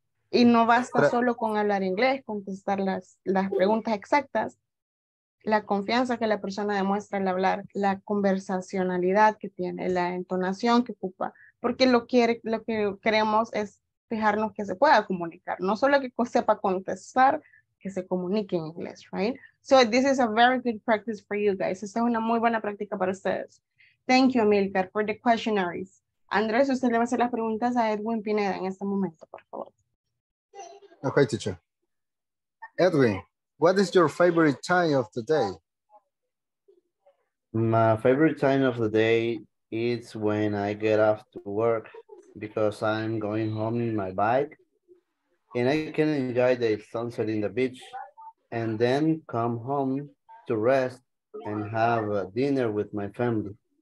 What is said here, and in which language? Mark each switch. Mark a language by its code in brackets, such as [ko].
[es] Y no basta solo con hablar inglés, contestar las preguntas exactas. La confianza que la persona demuestra al hablar, la conversacionalidad que tiene, la entonación que ocupa. Porque lo que queremos es fijarnos que se pueda comunicar. No solo que sepa contestar, que se comunique en inglés, right? [en] So this is a very good practice for you guys. [es] Esta es una muy buena práctica para ustedes. [en] Thank you, Amilcar, for the questionnaires. [es] Andrés, usted le va a hacer las preguntas a Edwin Pineda en este momento, por favor. [en] Okay, teacher. Edwin, what is your favorite time of the day? My favorite time of the day is when I get off to work because I'm going home in my bike and I can enjoy the sunset in the beach and then come home to rest and have a dinner with my family.